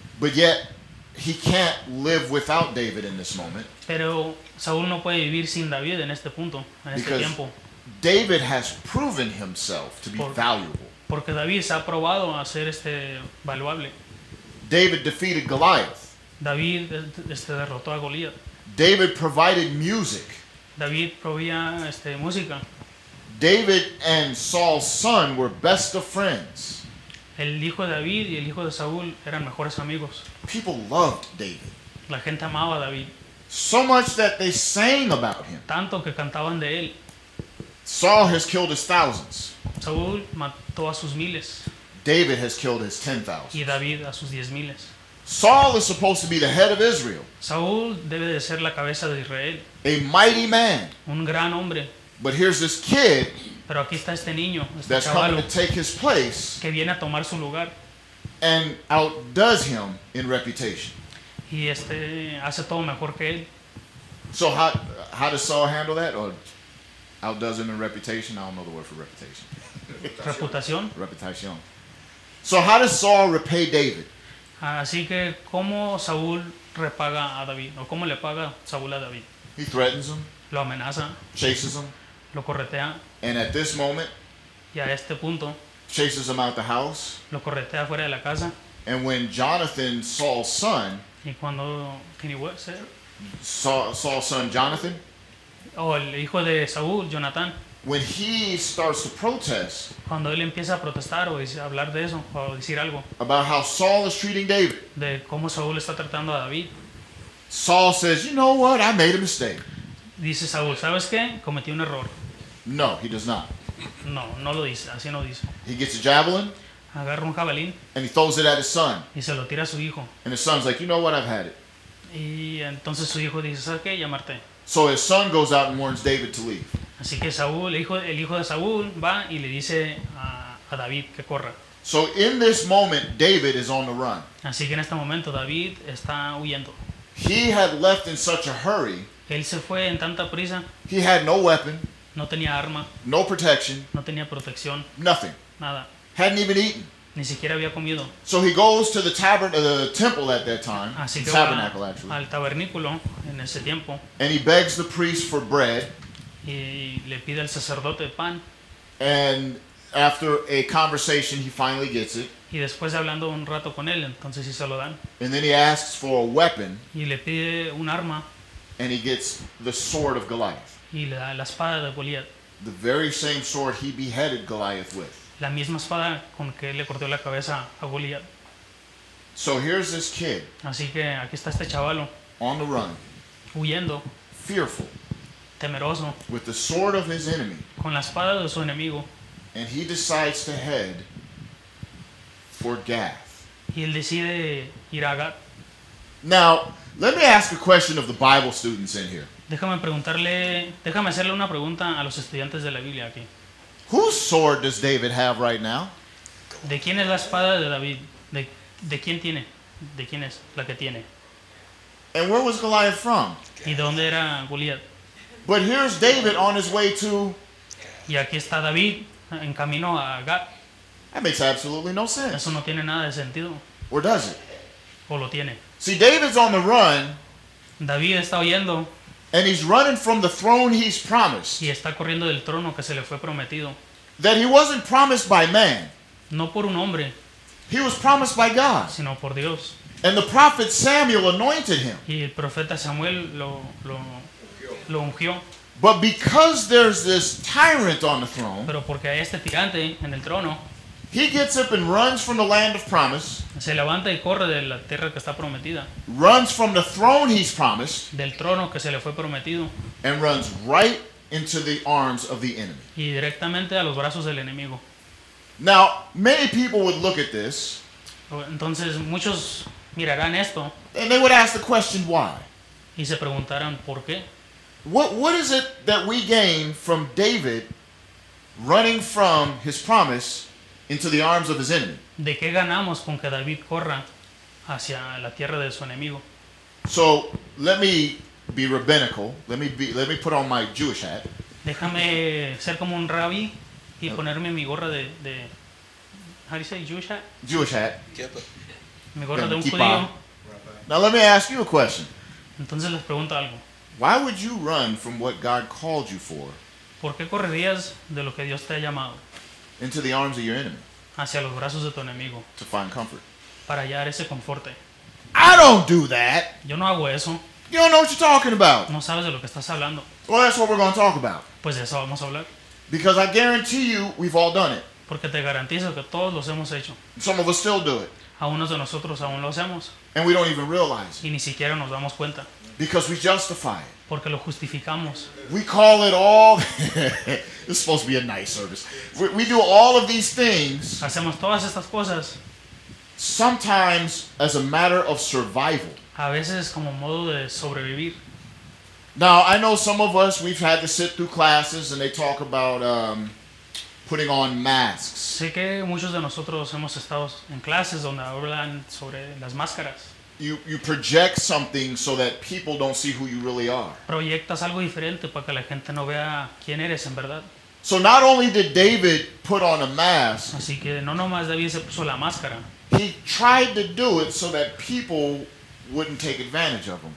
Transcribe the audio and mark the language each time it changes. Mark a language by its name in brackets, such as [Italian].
[English] But yet, he can't live without David in this moment. [Spanish] Pero Saúl no puede vivir sin David en este punto, en este tiempo. [English] David has proven himself to be valuable. [Spanish] Porque David se ha probado a ser valuable. [English] David defeated Goliath. [Spanish] David derrotó a Goliath. [English] David provided music. [Spanish] David proveía música. [English] David and Saul's son were best of friends. [Spanish] El hijo de David y el hijo de Saúl eran mejores amigos. [English] People loved David. [Spanish] La gente amaba a David. [English] So much that they sang about him. [Spanish] Tanto que cantaban de él. [English] Saul has killed his thousands. [Spanish] Saúl mató a sus miles. [English] David has killed his 10,000. [Spanish] Y David a sus 10,000. [English] Saul is supposed to be the head of Israel. [Spanish] Saúl debe de ser la cabeza de Israel. [English] A mighty man. [Spanish] Un gran hombre. [English] But here's this kid. [Spanish] Pero aquí está este niño, este [English] that's [Spanish] chavalo, [English] coming to take his place, [Spanish] que viene a tomar su lugar, [English] and outdoes him in reputation. [Spanish] Y hace todo mejor que él. [English] So how does Saul handle that, or outdoes him in reputation? I don't know the word for reputation. [Spanish] Reputación. [English] Reputación. So how does Saul repay David? [Spanish] Así que cómo Saúl repaga a David, o cómo le paga Saúl a David. [English] He threatens him. [Spanish] Lo amenaza. [English] Chases him. [Spanish] Lo corretea. [English] And at this moment. [Spanish] Y a este punto. [English] Chases him out the house. [Spanish] Lo corretea fuera de la casa. [English] And when Jonathan, Saul's son. [Spanish] Y cuando, [English] can he what, say? Saul's son Jonathan. [Spanish] Oh, el hijo de Saúl, Jonathan. [English] When he starts to protest. [Spanish] Cuando él empieza a protestar o hablar de eso o decir algo. [English] About how Saul is treating David. [Spanish] De cómo Saúl está tratando a David. [English] Saul says, "You know what? I made a mistake." [Spanish] Dice Saúl, ¿sabes qué? Cometí un error. [English] No, he does not. [Spanish] No, no lo dice. Así no dice. [English] He gets a javelin. [Spanish] Agarra un jabalín. [English] And he throws it at his son. [Spanish] Y se lo tira a su hijo. [English] And his son's like, "You know what? I've had it." [Spanish] Y entonces su hijo dice, ¿sabes qué? Llamarte. [English] So his son goes out and warns David to leave. [Spanish] Así que Saúl, el hijo de Saúl, va y le dice a David que corra. [English] So in this moment, David is on the run. [Spanish] Así que en este momento David está huyendo. [English] He had left in such a hurry. [Spanish] Él se fue en tanta prisa. [English] He had no weapon. [Spanish] No tenía arma. [English] No protection. [Spanish] No tenía protección. [English] Nothing. [Spanish] Nada. [English] Hadn't even eaten. [Spanish] Ni siquiera había comido. [English] So he goes to the temple at that time. [Spanish] Así [English] the tabernacle, actually. [Spanish] Al tabernículo en ese tiempo. [English] And he begs the priest for bread. [Spanish] Y le pide al sacerdote pan. [English] And after a conversation, he finally gets it. [Spanish] Y después hablando un rato con él, entonces sí se lo dan. [English] And then he asks for a weapon. [Spanish] Y le pide un arma. [English] And he gets the sword of Goliath. [Spanish] Y le da la espada de Goliat. [English] The very same sword he beheaded Goliath with. [Spanish] La misma espada con que le cortó la cabeza a Goliat. [English] So here's this kid. [Spanish] Así que aquí está este chavalo. [English] On the run. [Spanish] Huyendo. [English] Fearful. [Spanish] Temeroso. [English] With the sword of his enemy. [Spanish] Con la espada de su enemigo. [English] And he decides to head for Gath. [Spanish] Y él decide ir a Gath. [English] Now, let me ask a question of the Bible students in here. [Spanish] Déjame hacerle una pregunta a los estudiantes de la Biblia aquí. [English] Whose sword does David have right now? [Spanish] ¿De quién es la espada de David? ¿De quién tiene? ¿De quién es la que tiene? [English] And where was Goliath from? [Spanish] ¿Y dónde era Goliat? [English] But here's David on his way to. [Spanish] Y aquí está David en camino a Gat. [English] That makes absolutely no sense. [Spanish] Eso no tiene nada de sentido. [English] Or does it? [Spanish] O lo tiene. [English] See, David's on the run. [Spanish] David está huyendo. [English] And he's running from the throne he's promised. [Spanish] Y está corriendo del trono que se le fue prometido. [English] That he wasn't promised by man. [Spanish] No por un hombre. [English] He was promised by God. [Spanish] Sino por Dios. [English] And the prophet Samuel anointed him. [Spanish] Y el profeta Samuel lo ungió. [English] But because there's this tyrant on the throne. [Spanish] Pero porque hay este tirante en el trono. [English] He gets up and runs from the land of promise. [Spanish] Se levanta y corre de la tierra que está prometida. [English] Runs from the throne he's promised. [Spanish] Del trono que se le fue prometido. [English] And runs right into the arms of the enemy. [Spanish] Y directamente a los brazos del enemigo. [English] Now, many people would look at this. [Spanish] Entonces, muchos mirarán esto. [English] And they would ask the question, why? [Spanish] Y se preguntarán, ¿por qué? [English] What is it that we gain from David running from his promise into the arms of his enemy? [Spanish] ¿De qué ganamos con que David corra hacia la tierra de su enemigo? [English] So, let me be rabbinical. Let me put on my Jewish hat. [Spanish] Déjame ser como un rabbi y ponerme mi gorra de [English] how do you say Jewish hat? Jewish hat. [Spanish] Mi gorra de un judío. [English] Now let me ask you a question. [Spanish] Entonces les pregunto algo. [English] Why would you run from what God called you for? [Spanish] ¿Por qué correrías de lo que Dios te ha llamado? [English] Into the arms of your enemy. [Spanish] Hacia los brazos de tu enemigo. [English] To find comfort. [Spanish] Para hallar ese conforte. [English] I don't do that. [Spanish] Yo no hago eso. [English] You don't know what you're talking about. [Spanish] No sabes de lo que estás hablando. [English] Well, that's what we're going to talk about. [Spanish] Pues de eso vamos a hablar. [English] Because I guarantee you, we've all done it. [Spanish] Porque te garantizo que todos los hemos hecho. [English] Some of us still do it. [Spanish] Algunos de nosotros aún lo hacemos. [English] And we don't even realize. [Spanish] Y ni siquiera nos damos cuenta. [English] Because we justify it. [Spanish] Porque lo justificamos. [English] We call it all. This is supposed to be a nice service. We do all of these things. [Spanish] Hacemos todas estas cosas. [English] Sometimes as a matter of survival. [Spanish] A veces como modo de sobrevivir. [English] Now, I know some of us, we've had to sit through classes and they talk about putting on masks. [Spanish] Sé que muchos de nosotros hemos estado en clases donde hablan sobre las máscaras. [English] You project something so that people don't see who you really are. [Spanish] Proyectas algo diferente para que la gente no vea quién eres en verdad. [English] So not only did David put on a mask, [Spanish] así que no nomás David se puso la máscara. [English] He tried to do it so that people wouldn't take advantage of him.